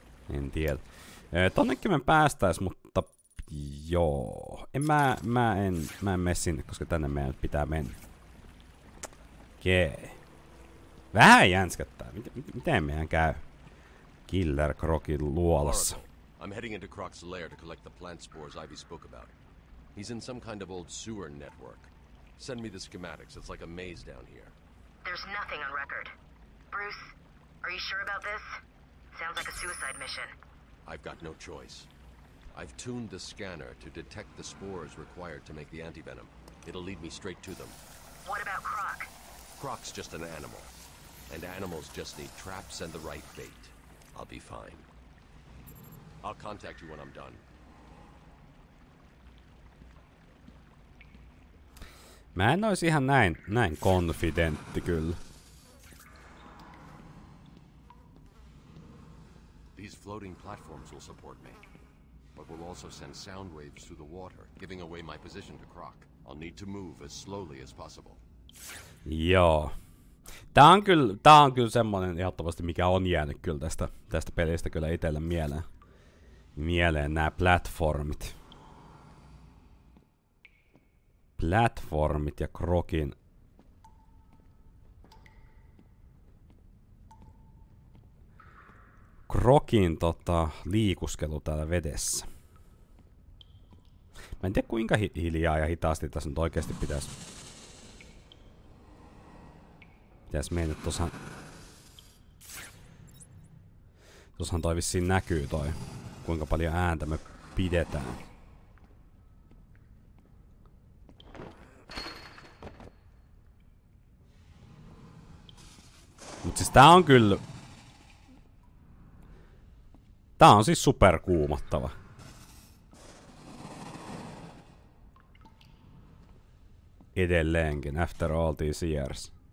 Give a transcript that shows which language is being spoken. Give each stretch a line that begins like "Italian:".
Finnish: En tiedä. Tonnekin me päästäis, mutta joo. Mä en mene sinne, koska tänne meidän pitää mennä. Okei. Vähän jänskättää. Miten meidän käy Killer Crocin luolassa?
English: I'm heading into Croc's lair to collect the plant spores Ivy spoke about. He's in some kind of old sewer network. Send me the schematics. It's like a maze down here. There's nothing on record. Bruce, are you sure about this? Sounds like a suicide mission. I've got no choice. I've tuned the scanner to detect the spores required to make the antivenom. It'll lead me straight to them. What about Croc? Croc's just an animal. And animals just need traps and the right bait. I'll be fine. I'll contact you when I'm done.
Finnish: Mä en ois ihan näin konfidentti kyllä.
English: These floating platforms will support me, but will also send sound waves through the water, giving away my position to Croc. I'll need to move as slowly as possible.
Finnish: Joo. Tää on kyllä semmonen ehdottomasti, mikä on jäänyt kyllä tästä pelistä kyllä itselle mieleen nää platformit. Platformit ja Crocin. Crocin liikuskelu täällä vedessä. Mä en tiedä kuinka hiljaa ja hitaasti tässä nyt oikeesti pitäis... Pitäis mennä tossahan... Tossahan toi vissiin näkyy toi, kuinka paljon ääntä me pidetään. Mut siis tää on kyllä... Tää on siis superkuumottava. Edelleenkin,
English: after all these years.